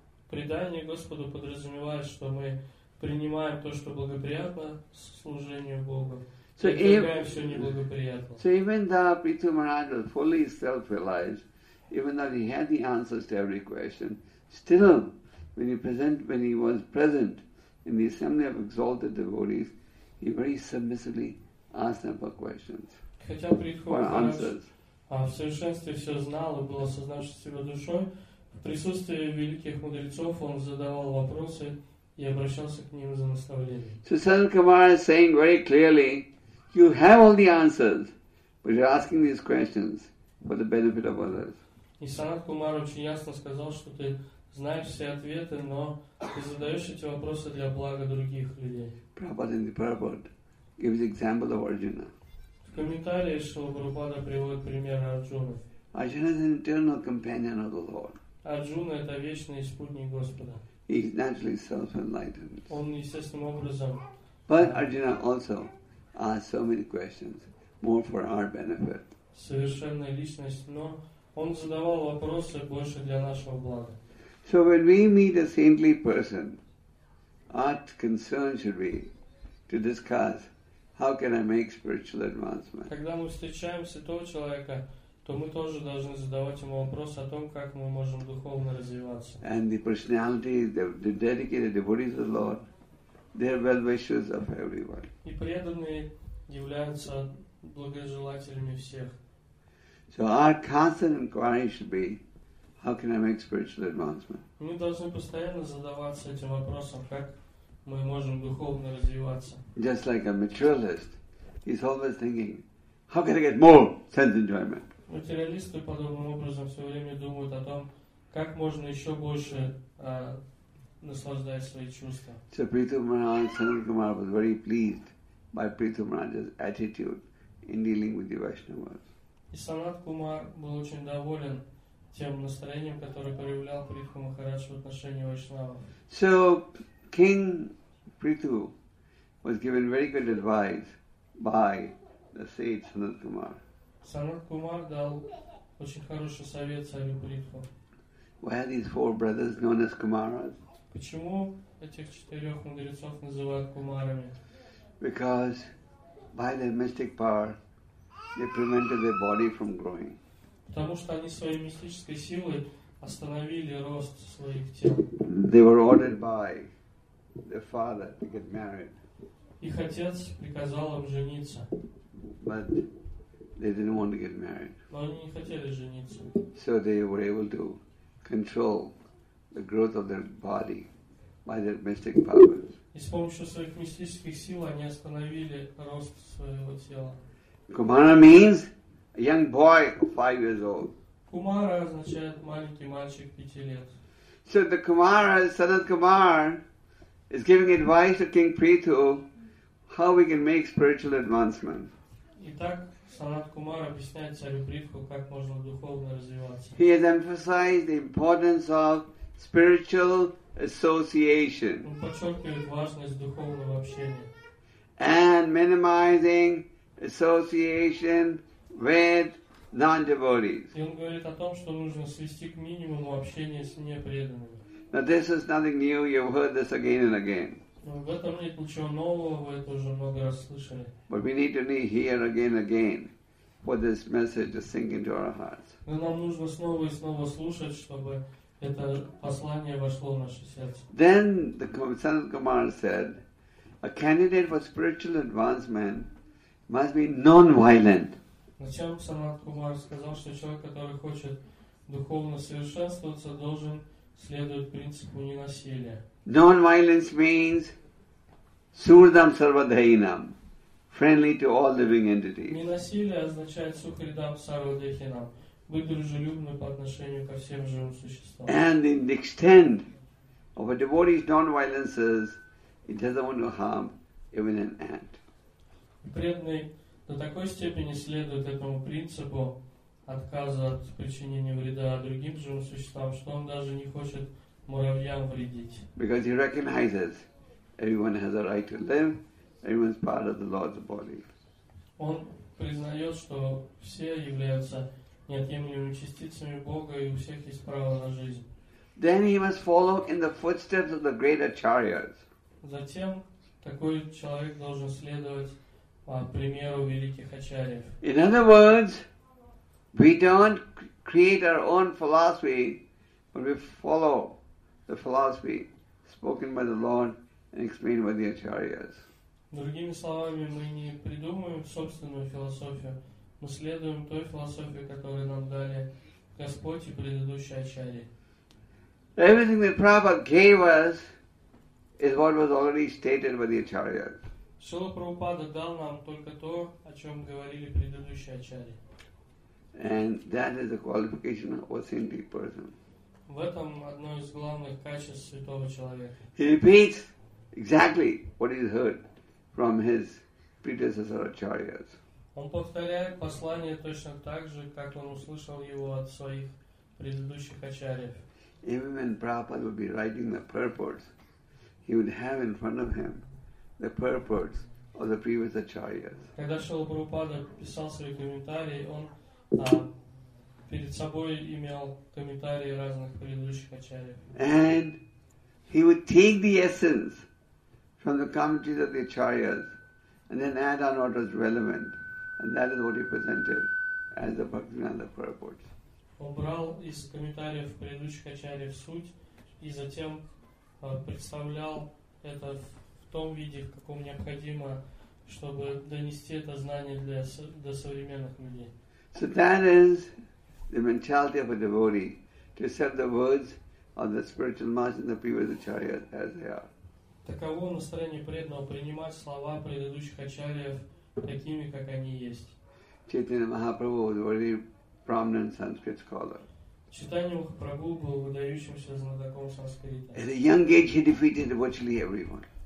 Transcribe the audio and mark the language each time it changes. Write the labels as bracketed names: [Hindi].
[Russian] Предание Господу подразумевает, что мы принимаем то, что благоприятно служению Богу, [English] so [Russian] и отвергаем все неблагоприятное. [English] So even though Prithu Maharaj was fully self-realized, even though he had the answers to every question, still when he was present in the assembly of exalted devotees, he very submissively asked them for questions, for answers. [Russian] В совершенстве все знал и был осознан себя душой. В присутствии великих мудрецов он задавал вопросы и обращался к ним за наставлением. [English] So Sanat Kumara is saying very clearly, you have all the answers, but you're asking these questions for the benefit of others. [Russian] И Санат Кумар очень ясно сказал, что ты знаешь все ответы, но ты задаешь эти вопросы для блага других людей. [English] Prabhupada in the Prabhupada gives the example of Arjuna. [Russian] В комментарии Шрила Прабхупада приводит пример Арджуны. [English] Arjuna is an eternal companion of the Lord. [Russian] Арджуна – это вечный спутник Господа. [English] He is naturally self-enlightened. [Russian] Он естественным образом. [English] But Arjuna also asks so many questions, more for our benefit. [Russian] Совершенная личность, но он задавал вопросы больше для нашего блага. [English] So when we meet a saintly person, our concern should be to discuss how can I make spiritual advancement. [Russian] Когда мы встречаем святого человека, то мы тоже должны задавать ему вопрос о том, как мы можем духовно развиваться. [English] And the personalities, the dedicated devotees of the Lord, they are well wishers of everyone. [Russian] И преданные являются благожелателями всех. [English] So our constant inquiry should be, how can I make spiritual advancement? [Russian] Мы должны постоянно задаваться этим вопросом, как мы можем духовно развиваться. [English] Just like a materialist, he's always thinking, how can I get more sense enjoyment? [Russian] Материалисты подобным образом все время думают о том, как можно еще больше наслаждать свои чувства. [English] So Prithu Maharaj, Sanat Kumar was very pleased by Prithu Maharaj's attitude in dealing with the Vaishnavas. [Russian] И Санат Кумар был очень доволен тем настроением, которое проявлял Притху Махарадж в отношении Вайшнава. [English] So, King Prithu was given very good advice by the sage Sanat Kumar. [Russian] Sanat Kumar дал очень хороший совет царю Притху. [English] Why are these four brothers known as Kumaras? [Russian] Почему этих четырех мудрецов называют Кумарами? [English] Because by their mystic power, They prevented their body from growing. [Russian] Потому что они своей мистической силой остановили рост своих тел. [English] They were ordered by their father to get married. [Russian] Их отец приказал им жениться. [English] But they didn't want to get married. [Russian] Но они не хотели жениться. [English] So they were able to control the growth of their body by their mystic powers. [Russian] И с помощью своих мистических сил они остановили рост своего тела. [English] Kumara means a young boy of 5 years old. [Russian] Kumara означает маленький мальчик 5 лет. [English] So the Kumara, Sanat Kumar, is giving advice to King Prithu how we can make spiritual advancement. [Russian] Итак, Санат Кумар объясняет царю Притху, как можно духовно развиваться. [English] He has emphasized the importance of spiritual association. [Russian] Он подчеркивает важность духовного общения. [English] And minimizing association with non-devotees. [Russian] И он говорит о том, что нужно свести к минимуму общение с непреданными. [English] Now this is nothing new. You've heard this again and again. [Russian] В этом нет ничего нового. Вы это уже много раз слышали. [English] But we need to hear again and again for this message to sink into our hearts. [Russian] Но нам нужно снова и снова слушать, чтобы это послание вошло в наше сердце. [English] Then the Sanat Kumar said, a candidate for spiritual advancement must be non-violent. [Russian] Зачем Санат Кумар сказал, что человек, который хочет духовно совершенствоваться, должен следовать принципу ненасилия? [English] Non-violence means surdam sarvadhainam, friendly to all living entities. [Russian] Ненасилие означает сухридам сарвадхинам, быть дружелюбным по отношению ко всем живым существам. [English] And in the extent of a devotee's non-violence is, he doesn't want to harm even an ant. [Russian] Преданный до такой степени следует этому принципу отказа от причинения вреда другим живым существам, что он даже не хочет муравьям вредить. [English] Because he recognizes everyone has a right to live, everyone's part of the Lord's body. [Russian] Он признает, что все являются неотъемлемыми частицами Бога, и у всех есть право на жизнь. [English] Then he must follow in the footsteps of the great acharyas. [Russian] Затем такой человек должен следовать по примеру великих ачарьев. [English] In other words, we don't create our own philosophy, but we follow the philosophy spoken by the Lord and explained by the acharyas. [Russian] Другими словами, мы не придумываем собственную философию, мы следуем той философии, которую нам дали Господь и предыдущие ачарьи. [English] Everything that Prabhupada gave us is what was already stated by the acharyas. [Russian] Шрила Прабхупада дал нам только то, о чем говорили предыдущие ачарьи. [English] And that is the qualification of a saintly person. [Russian] В этом одно из главных качеств святого человека. [English] He repeats exactly what he heard from his predecessor acharyas. [Russian] Он повторяет послание точно так же, как он услышал его от своих предыдущих ачарьев. [English] Even when Prabhupada would be writing the purports, he would have in front of him the purports of the previous acharyas. [Russian] Когда Шрила Прабхупада писал свои комментарии, он перед собой имел комментарии разных предыдущих ачарьев. [English] And he would take the essence from the commentaries of the acharyas and then add on what was relevant, and that is what he presented as the Bhaktivinoda purports. [Russian] Он брал из комментариев предыдущих ачарьев суть и затем представлял это в том виде, в каком необходимо, чтобы донести это знание до современных людей. [English] So that is the mentality of a devotee, to accept the words of the spiritual master and the previous acharya as they are. [Russian] Таково настроение преданного принимать слова предыдущих ачарьев такими, как они есть. [English] Chaitanya Mahaprabhu was a very prominent Sanskrit scholar. [Russian] Chaitanya Mahaprabhu был выдающимся знатоком санскрита. [English] At a young age, he defeated virtually everyone.